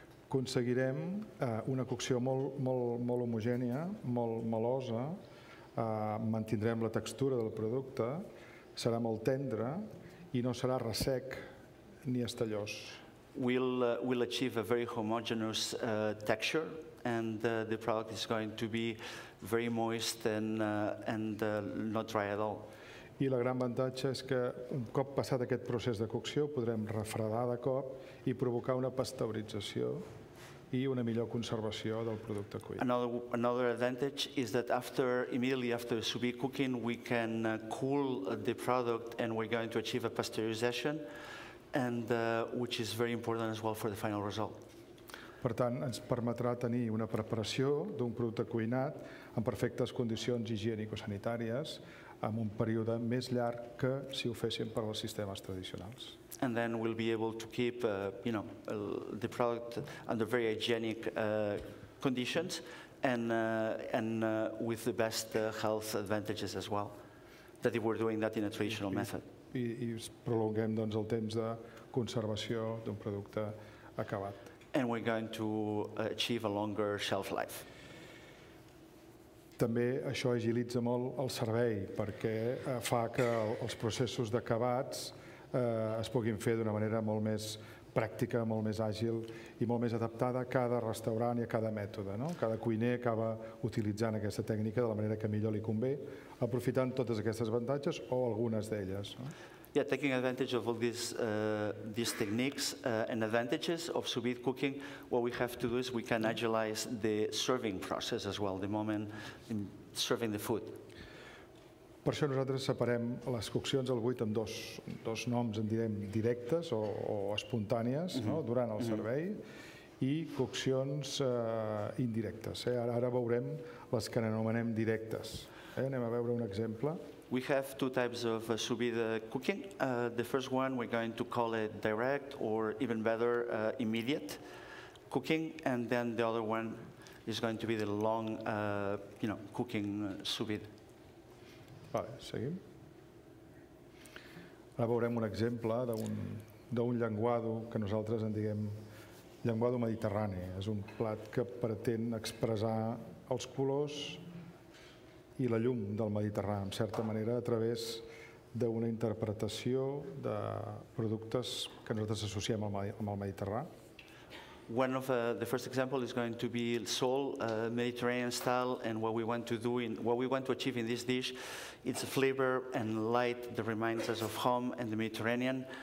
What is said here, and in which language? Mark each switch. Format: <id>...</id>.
<ca>Aconseguirem una cocció molt homogènia, molt melosa, mantindrem la textura del producte, serà molt tendre i no serà ressec ni estellós.</ca> <en>We'll achieve a very homogeneous texture and the product is going to be very moist and not dry at all.</en> <ca>I el gran avantatge és que un cop passat aquest procés de cocció podrem refredar de cop i provocar una pasteurització I una millor conservació del producte cuit.</ca> <en>Another advantage is that after immediately after sous vide cooking we can cool the product and we're going to achieve a pasteurization and which is very important as well for the final result.</en> <ca>Per tant, ens permetrà tenir una preparació d'un producte cuinat en perfectes condicions higienico-sanitàries amb un període més llarg que si ho féssim per als sistemes tradicionals.</ca> <en>And then we'll be able to keep the product under very hygienic conditions and with the best health advantages as well that if we're doing that in a traditional method.</en> <ca>I prolonguem doncs el temps de conservació d'un producte acabat.</ca> <en>And we're going to achieve a longer shelf life.</en> <ca>També això agilitza molt el servei perquè fa que els processos d'acabats es puguin fer d'una manera molt més pràctica, molt més àgil I molt més adaptada a cada restaurant I a cada mètode. No? Cada cuiner acaba utilitzant aquesta tècnica de la manera que millor li convé, aprofitant totes aquestes avantatges o algunes d'elles. No?</ca> <en>Yeah, taking advantage of all these techniques and advantages of sous vide cooking, what we have to do is we can agilize the serving process as well, the moment in serving the food.</en> <ca>Per això nosaltres separem les coccions al buit amb dos noms, en direm directes o espontànies, no? Durant el servei, I coccions indirectes. Ara veurem les que anomenem directes. Anem a veure un exemple.</ca> <en>We have two types of sous vide cooking. The first one we're going to call it direct or even better immediate cooking, and then the other one is going to be the long cooking sous vide.</en> <ca>Vale, seguim. Ara veurem un exemple d'un llenguado que nosaltres en diguem llenguado mediterrani. És un plat que pretén expressar els colors I la llum del Mediterrani, en certa manera, a través d'una interpretació de productes que nosaltres associem amb el Mediterrani.</ca> <en>One of the first example is going to be sole Mediterranean style, and what we want to do in what we want to achieve in this dish, it's a flavor and light that reminds us of home and the Mediterranean.</en>